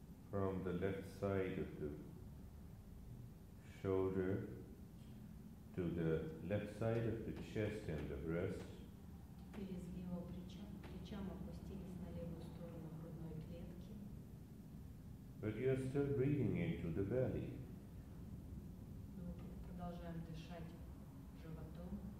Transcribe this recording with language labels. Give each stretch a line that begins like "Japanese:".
English: From the left side of the shoulder to the left side of the chest and the breast.
Russian: Через его плечам опустились на левую сторону грудной клетки.
English: But you are still breathing into the belly.
Russian: Мы продолжаем дышать животом.